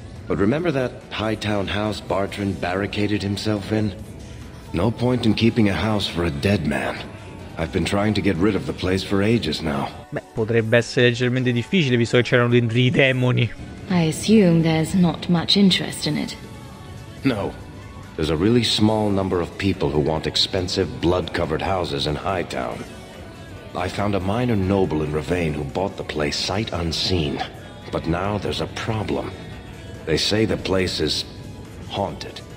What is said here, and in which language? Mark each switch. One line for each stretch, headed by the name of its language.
English: But remember that high town house Bartran barricaded himself in? No point in keeping a house for a dead man. I've been trying to get rid of the place for ages now.
Italian: Beh, potrebbe essere leggermente difficile visto che c'erano dentro i demoni.
English: I assume there's not much interest in it. No. There's a really small number of people who want expensive blood-covered houses in high town. I found a minor noble in Ravane who bought the place sight unseen. But now there's a problem. They say the place is haunted.